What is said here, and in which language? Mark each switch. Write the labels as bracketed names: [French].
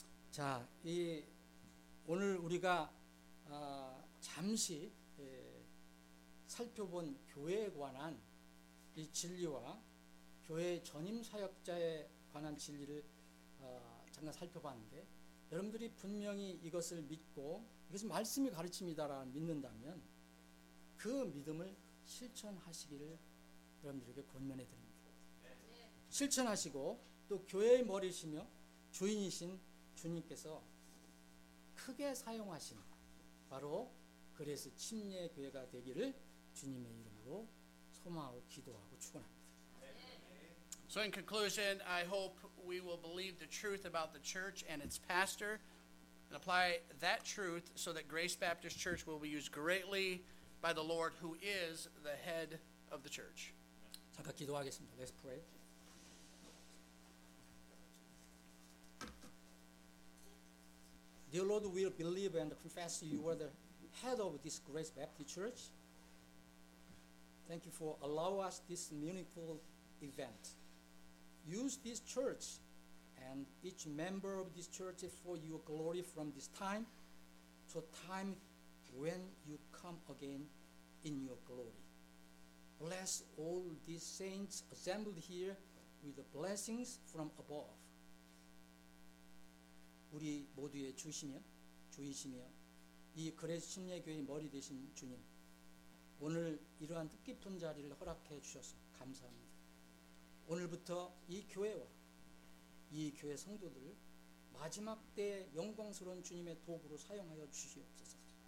[Korean] 자, 이 오늘 우리가 잠시 살펴본 교회에 관한 이 진리와 교회 전임 사역자에 관한 진리를 잠깐 살펴봤는데, 여러분들이 분명히 이것을 믿고 이것이 말씀이 가르침이다라는 믿는다면 그 믿음을 실천하시기를 여러분들에게 권면해 드립니다. 실천하시고 또 교회의 머리이시며 주인이신 주님께서 크게 사용하신 바로 그래서 침례 교회가 되기를 주님의 이름으로 소망하고 기도하고 축원합니다. [English] So in conclusion, I hope we will believe the truth about the church and its pastor and apply that truth so that Grace Baptist Church will be used greatly by the Lord who is the head of the church. [Korean] 잠깐 기도하겠습니다. [English] Let's pray. Dear Lord, we believe and confess you are the head of this Grace Baptist Church. Thank you for allowing us this meaningful event. Use this church and each member of this church for your glory from this time to a time when you come again in your glory. Bless all these saints assembled here with the blessings from above. [Korean] 우리 모두의 주시며 주이시며 이 그레스 침례교회의 머리 되신 주님, 오늘 이러한 뜻깊은 자리를 허락해 주셔서 감사합니다. 오늘부터 이 교회와 이 교회 성도들을 마지막 때의 영광스러운 주님의 도구로 사용하여 주시옵소서.